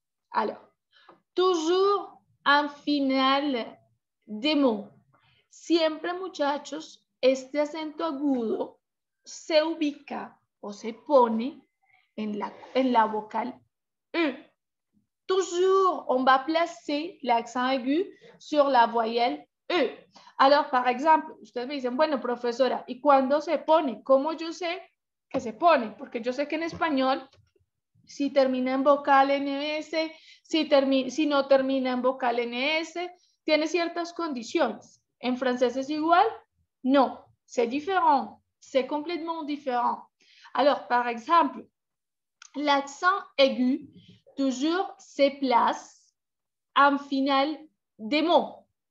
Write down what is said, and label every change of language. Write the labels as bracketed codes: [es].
[fr] Alors, toujours un final des mots. [es] Siempre, muchachos, este acento agudo se ubica o se pone en la vocal E. [fr] Toujours, on va placer l'accent aigu sur la voyelle E. Alors, par exemple, [es] ustedes me dicen, bueno, profesora, ¿y cuándo se pone? ¿Cómo yo sé que se pone? Porque yo sé que en español, si termina en vocal NS, si no termina en vocal NS, tiene ciertas condiciones. En francés es igual? [fr] No, c'est différent, c'est complètement différent. Alors, par exemple, l'accent aigu toujours se place en final des mots.